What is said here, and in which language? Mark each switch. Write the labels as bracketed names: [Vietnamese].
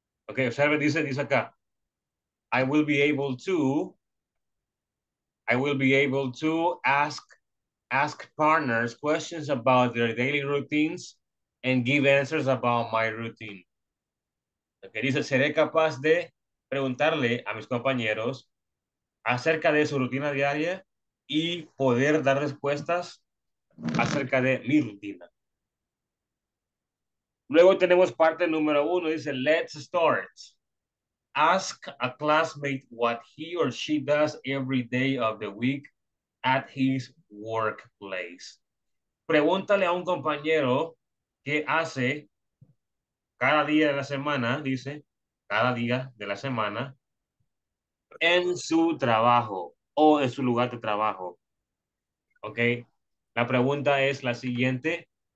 [Spanish] Okay, observe, dice acá. [English] I will be able to ask partners questions about their daily routines and give answers about my routine. [Spanish] Okay, dice, seré capaz de preguntarle a mis compañeros acerca de su rutina diaria y poder dar respuestas acerca de mi rutina. Luego tenemos parte número uno, dice, [English] let's start. Ask a classmate what he or she does every day of the week at his workplace. [Spanish] Pregúntale a un compañero qué hace cada día de la semana, dice, cada día de la semana, en su trabajo o en su lugar de trabajo. Ok, la pregunta es la siguiente.